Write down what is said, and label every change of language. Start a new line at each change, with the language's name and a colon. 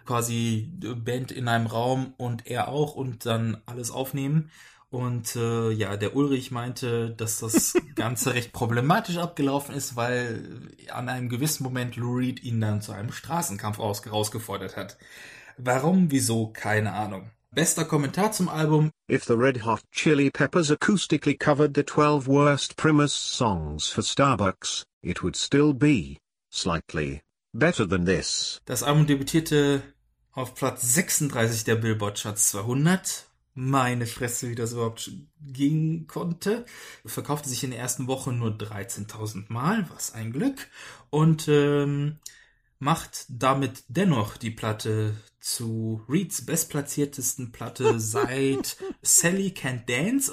German: Quasi Band in einem Raum und er auch und dann alles aufnehmen. Und ja, der Ulrich meinte, dass das Ganze recht problematisch abgelaufen ist, weil an einem gewissen Moment Lou Reed ihn dann zu einem Straßenkampf herausgefordert hat. Warum, wieso, keine Ahnung. Bester Kommentar zum Album.
English: If the Red Hot Chili Peppers acoustically covered the 12 worst Primus songs for Starbucks, it would still be slightly better than this.
German: Das Album debütierte auf Platz 36 der Billboard Charts 200. Meine Fresse, wie das überhaupt ging konnte. Verkaufte sich in der ersten Woche nur 13.000 Mal, was ein Glück. Und macht damit dennoch die Platte zu Reeds bestplatziertesten Platte seit Sally Can't Dance.